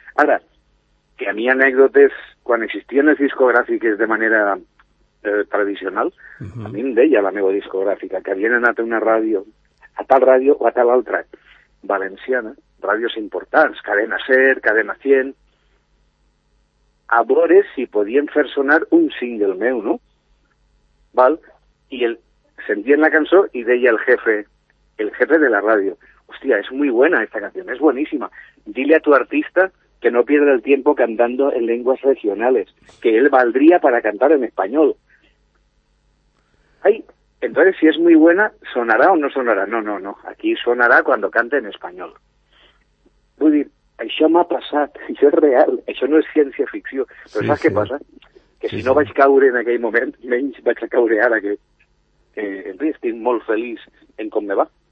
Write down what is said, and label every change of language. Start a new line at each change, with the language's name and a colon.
Catalan: Ara, que a mi anècdotes, quan existien les discogràfiques de manera tradicional, a mi em deia la meva discogràfica que havien anat a una ràdio, a tal ràdio o a tal altra, valenciana, ràdios importants, Cadena Ser, Cadena 100, a veure si podien fer sonar un single meu, no? Val? I el, sentien la cançó i deia el jefe de la ràdio, hostia,
Spanish: és muy buena esta canción, es buenísima, dile a tu artista que no pierda el tiempo cantando en lenguas regionales, que él valdría para cantar en español. Ay, entonces, si es muy buena, ¿sonará o no sonará? No, aquí sonará cuando cante en español.
Catalan: Vull dir, això m'ha passat, això és real, això no és ciència ficció. Però sí, saps què passa? Que si no vaig caure en aquell moment, menys vaig caure ara, que en fi, estic molt feliç en com me va.